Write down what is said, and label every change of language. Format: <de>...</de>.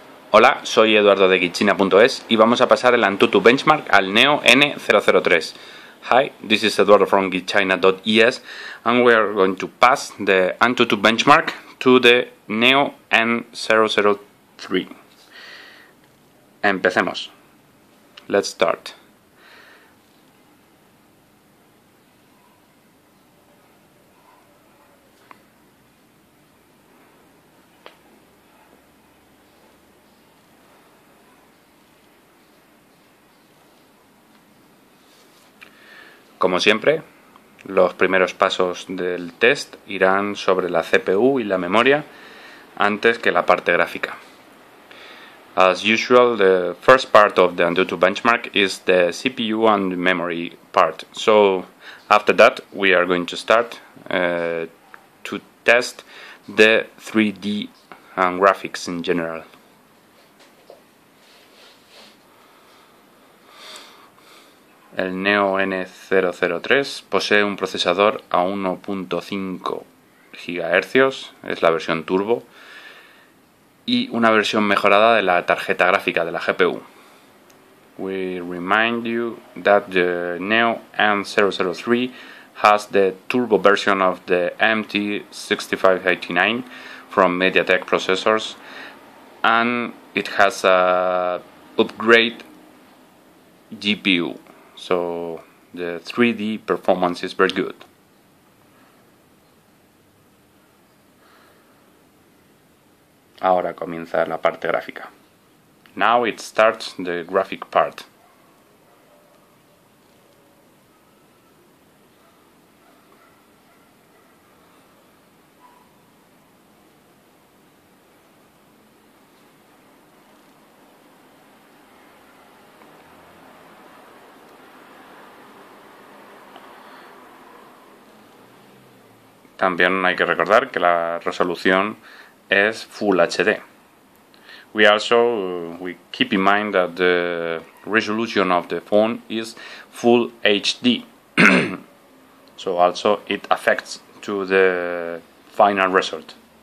<es>Hola, soy Eduardo de Gitchina.es y vamos a pasar el AnTuTu Benchmark al Neo N003.</es> <en>Hi, this is Eduardo from Gitchina.es and we are going to pass the AnTuTu Benchmark to the Neo N003.</en> <es>Empecemos.</es> <en>Let's start.</en> <es>Como siempre, los primeros pasos del test irán sobre la CPU y la memoria antes que la parte gráfica.</es> <en>As usual, the first part of the AnTuTu benchmark is the CPU and memory part. So, after that, we are going to start to test the 3D and graphics in general.</en> <es>El Neo N003 posee un procesador a 1.5 GHz, es la versión turbo, y una versión mejorada de la tarjeta gráfica de la GPU.</es> <en>We remind you that the Neo N003 has the turbo version of the MT6589 from MediaTek Processors, and it has a upgrade GPU. So, the 3D performance is very good.</en> <es>Ahora comienza la parte gráfica.</es> <en>Now it starts the graphic part.</en> <es>También hay que recordar que la resolución es Full HD.</es> <en>We keep in mind that the resolution of the phone is Full HD. So also it affects to the final result.</en>